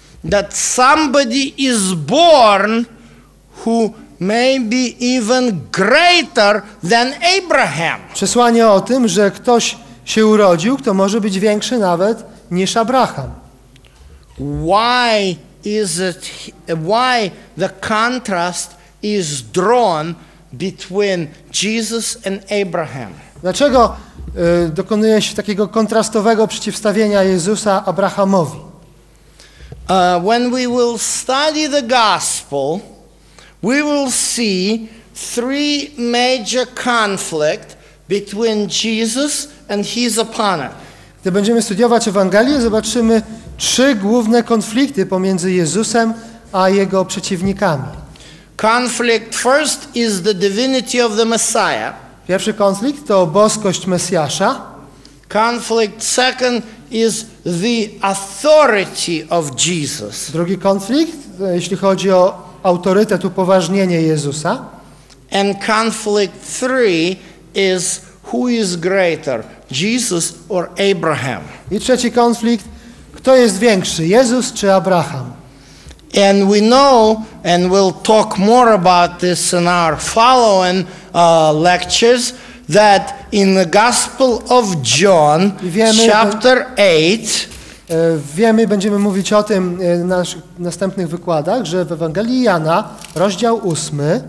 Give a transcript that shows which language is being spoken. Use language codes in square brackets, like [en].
[en] That somebody is born who may be even greater than Abraham. [pl] Przesłanie o tym, że ktoś się urodził, kto może być większy nawet niż Abraham. [en] Why is it, why the contrast is drawn between Jesus and Abraham? [pl] Dlaczego dokonuje się takiego kontrastowego przeciwstawienia Jezusa Abrahamowi? [en] When we will study the gospel, we will see three major conflict between Jesus and his opponent. [pl] Gdy będziemy studiować Ewangelię, zobaczymy trzy główne konflikty pomiędzy Jezusem a jego przeciwnikami. [en] Conflict first is the divinity of the Messiah. [pl] Pierwszy konflikt to boskość Mesjasza. [en] Conflict second is the authority of Jesus. [pl] Drugi konflikt, jeśli chodzi o autorytet, upoważnienie Jezusa. [en] And conflict three is who is greater, Jesus or Abraham. [pl] I trzeci konflikt, kto jest większy, Jezus czy Abraham? [en] And we know, and we'll talk more about this in our following lectures, that in the Gospel of John, chapter 8, [pl] wiemy, będziemy mówić o tym w naszych następnych wykładach, że w Ewangelii Jana, rozdział 8,